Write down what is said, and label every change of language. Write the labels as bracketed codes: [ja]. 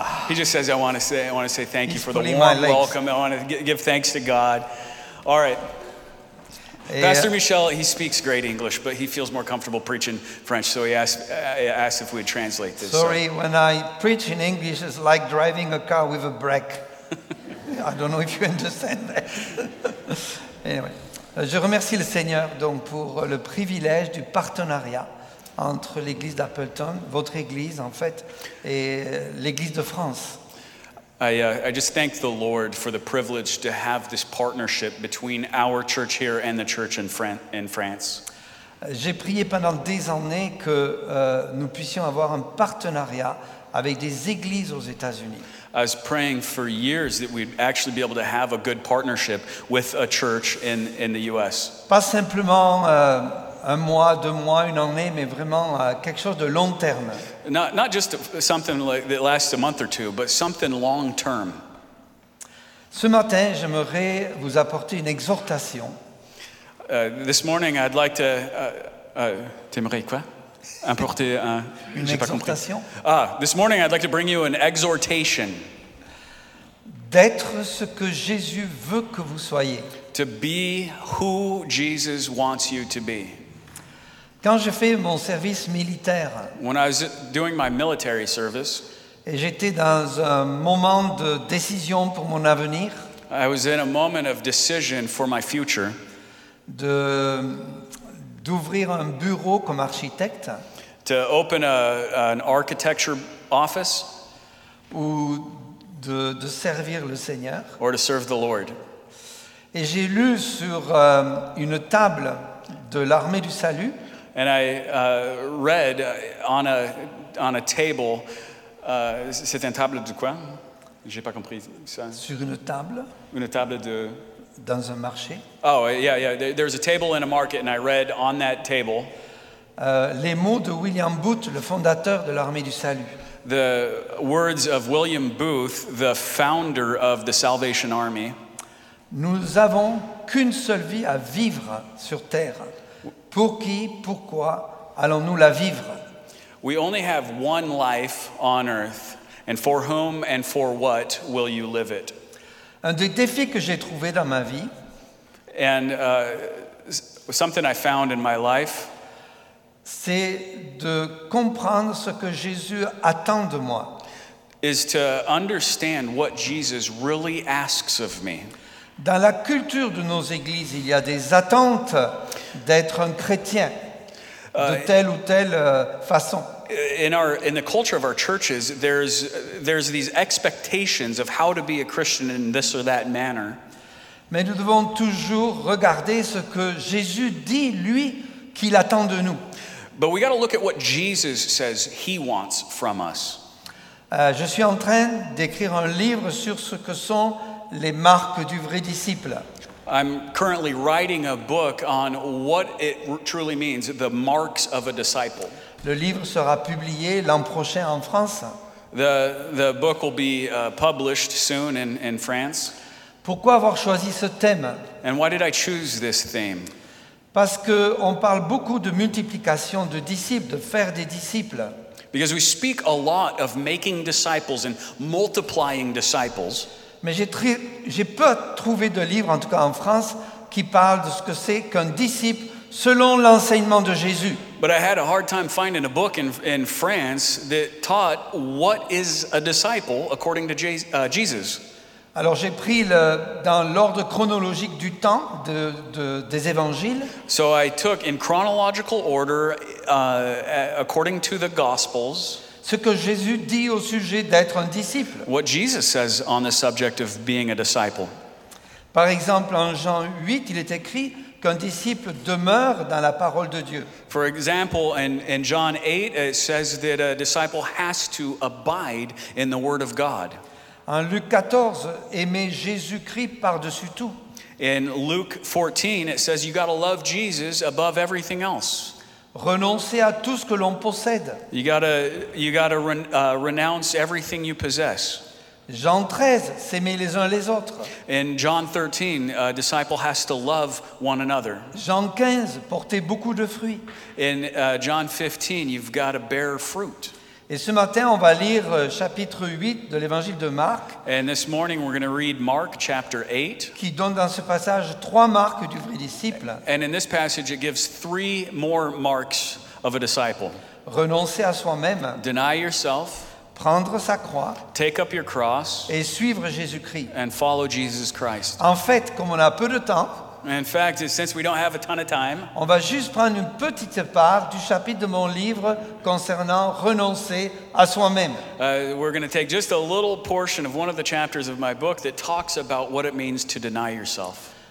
[en] He just says I want to say thank you for the warm welcome. I want to give thanks to God. All right. Pastor Michel, he speaks great English, but he feels more comfortable preaching French, so he asked if we'd translate this. Sorry, when I preach in English, it's like driving a car with a brake. I don't know if you understand that. Anyway, [fr] je remercie le Seigneur donc pour le privilège du partenariat entre l'église d'Appleton, votre église en fait, et l'église de France. [en] I just thank the Lord for the privilege to have this partnership between our church here and the church in France. [fr] J'ai prié pendant des années que nous puissions avoir un partenariat avec des églises aux États-Unis. [en] I was praying for years that we'd actually be able to have a good partnership with a church in the U.S. [fr] Pas simplement un mois, deux mois, une année, mais vraiment quelque chose de long terme. [en] Not just something like that lasts a month or two, but something long term. [fr] Ce matin, j'aimerais vous apporter une exhortation. [en] This morning, I'd like to. [fr] T'aimerais quoi? Apporter un. Une exhortation. [en] Ah, this morning, I'd like to bring you an exhortation. [fr] D'être ce que Jésus veut que vous soyez. [en] To be who Jesus wants you to be. [fr] Quand je fais mon service militaire, [en] when I was doing my military service, [fr] et j'étais dans un moment de décision pour mon avenir, [en] I was in a moment of decision for my future, [fr] d'ouvrir un bureau comme architecte, [en] to open an architecture office, [fr] ou de servir le Seigneur, [en] or to serve the Lord. [fr] Et j'ai lu sur une table de l'armée du salut. [en] And I read on a table. [fr] C'est une table de quoi? J'ai pas compris ça. Sur une table. Une table de. Dans un marché. [en] Oh yeah, yeah. There's a table in a market, and I read on that table. [fr] Les mots de William Booth, le fondateur de l'armée du salut. [en] the words of William Booth, the founder of the Salvation Army. [fr] Nous avons qu'une seule vie à vivre sur terre. Pour qui, pourquoi allons-nous la vivre? [en] We only have one life on earth, and for whom and for what will you live it? [fr] Un des défis que j'ai trouvé dans ma vie, [en] and something I found in my life, [fr] c'est de comprendre ce que Jésus attend de moi. [en] Is to understand what Jesus really asks of me. [fr] Dans la culture de nos églises, il y a des attentes d'être un chrétien de telle ou telle façon. [en] In the culture of our churches, there's these expectations of how to be a Christian in this or that manner. [fr] Mais nous devons toujours regarder ce que Jésus dit, lui, qu'il attend de nous. [en] But we got to look at what Jesus says he wants from us. [fr] Je suis en train d'écrire un livre sur ce que sont les marques du vrai disciple. [en] I'm currently writing a book on what it truly means, the marks of a disciple. [fr] Le livre sera publié l'an prochain en France. [en] The book will be published soon in France. [fr] Pourquoi avoir choisi ce thème? [en] And why did I choose this theme? [fr] Parce que on parle beaucoup de multiplication de disciples, de faire des disciples. [en] Because we speak a lot of making disciples and multiplying disciples. [fr] Mais j'ai peu trouvé de livres, en tout cas en France, qui parlent de ce que c'est qu'un disciple selon l'enseignement de Jésus. [en] But I had a hard time finding a book in France that taught what is a disciple according to Jesus. [fr] Alors j'ai pris dans l'ordre chronologique du temps des évangiles. [en] So I took in chronological order according to the Gospels. [fr] Ce que Jésus dit au sujet d'être un disciple. [en] What Jesus says on the subject of being a disciple. [fr] Par exemple, en Jean 8, il est écrit qu'un disciple demeure dans la parole de Dieu. [en] For example, in John 8, it says that a disciple has to abide in the word of God. [fr] En Luc 14, aimer Jésus-Christ par-dessus tout. [en] In Luke 14, it says you got to love Jesus above everything else. [fr] Renoncer à tout ce que l'on possède. [en] You gotta renounce everything you possess. [fr] Jean 13, s'aimer les uns les autres. [en] In John 13, a disciple has to love one another. [fr] Jean 15, porter beaucoup de fruits. [en] In John 15, you've got to bear fruit. [fr] Et ce matin, on va lire chapitre 8 de l'évangile de Marc. [en] And this morning, we're going to read Mark chapter 8. [fr] Qui donne dans ce passage trois marques du vrai disciple. [en] And in this passage, it gives three more marks of a disciple. [fr] Renoncer à soi-même. [en] Deny yourself. [fr] Prendre sa croix. [en] Take up your cross. [fr] Et suivre Jésus-Christ. [en] And follow Jesus Christ. [fr] En fait, comme on a peu de temps, [en] in fact, since we don't have a ton of time, [fr] on va juste prendre une petite part du chapitre de mon livre concernant renoncer à soi-même. [en] We're going to take just a little portion of one of the chapters of my book that talks about what it means to deny yourself.